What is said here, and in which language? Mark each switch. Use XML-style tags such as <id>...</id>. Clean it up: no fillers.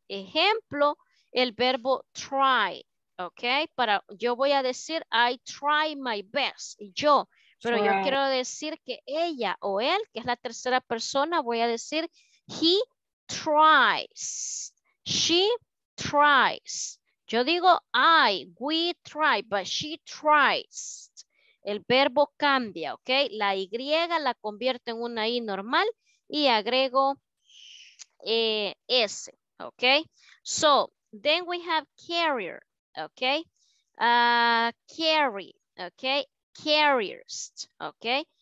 <es>Ejemplo, el verbo try. Ok, para, yo voy a decir,</es> <en>I try my best,</en> <es>yo, pero try. Yo quiero decir que ella o él, que es la tercera persona, voy a decir,</es> <en>he tries, she tries.</en> <es>Yo digo,</es> <en>I, we try, but she tries.</en> <es>El verbo cambia, ok, la Y la convierto en una I normal y agrego S, ok.</es> <en>So, then we have carrier. Okay, carry, okay, carriers, okay.</en>